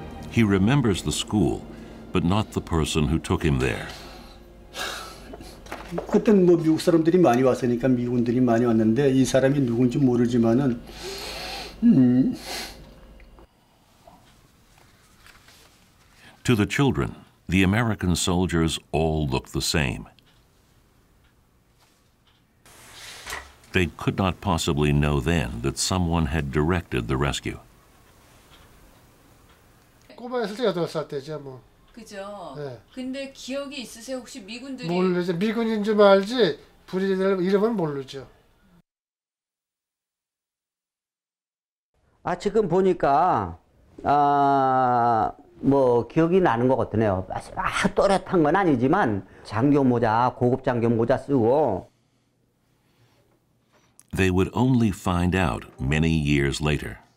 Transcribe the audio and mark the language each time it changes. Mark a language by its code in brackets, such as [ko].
[en] He remembers the school, but not the person who took him there. [ko] 그때는 뭐 미국 사람들이 많이 왔으니까 미군들이 많이 왔는데 이 사람이 누군지 모르지만은 [en] To the children, the American soldiers all looked the same. They could not possibly know then that someone had directed the rescue. [ko] 꼬마였을 때 8살 때죠, 뭐. 그죠. 네. 근데 기억이 있으세요? 혹시 미군들이? 모르죠. 미군인 줄 알지 부리들 이름은 모르죠. 아, 지금 보니까 아, 뭐 기억이 나는 것 같네요. 막 또렷한 건 아니지만 장교 모자, 고급 장교 모자 쓰고 [en] They would only find out many years later.